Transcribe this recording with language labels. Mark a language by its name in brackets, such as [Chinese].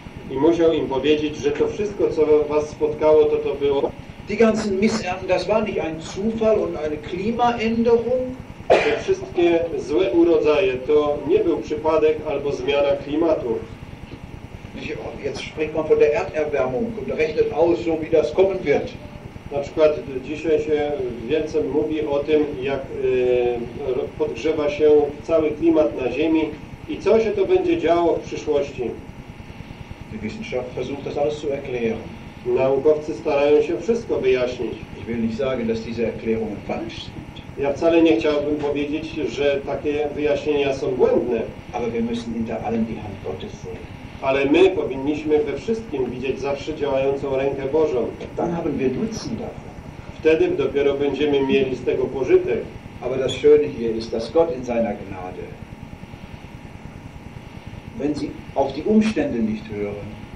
[Polish] I musiał im powiedzieć, że to wszystko, co was spotkało, to to było. [German] Die ganzen Missernten, das war nicht ein Zufall und eine Klimaänderung. [Polish] Te wszystkie złe urodzaje to nie był przypadek albo zmiana klimatu. [German] Jetzt spricht man von der Erderwärmung und rechnet aus, so wie das kommen wird. [Polish] Na przykład dzisiaj się więcej mówi o tym, jak podgrzewa się cały klimat na Ziemi i co się to będzie działo w przyszłości. [German] Die Wissenschaft versucht das alles zu erklären. [Polish] Naukowcy starają się wszystko wyjaśnić. [German] Ich will nicht sagen, dass diese Erklärungen falsch sind. [Polish] Ja wcale nie chciałbym powiedzieć, że takie wyjaśnienia są błędne. [German] Aber wir müssen hinter allem die Hand Gottes sehen. [Polish] Ale my powinniśmy we wszystkim widzieć zawsze działającą rękę Bożą. [German] Dann haben wir Nutzen davon. [Polish] Wtedy dopiero będziemy mieli z tego pożytek. [German] Aber das Schöne hier ist, dass Gott in seiner Gnade, wenn sie auf die Umstände nicht hören,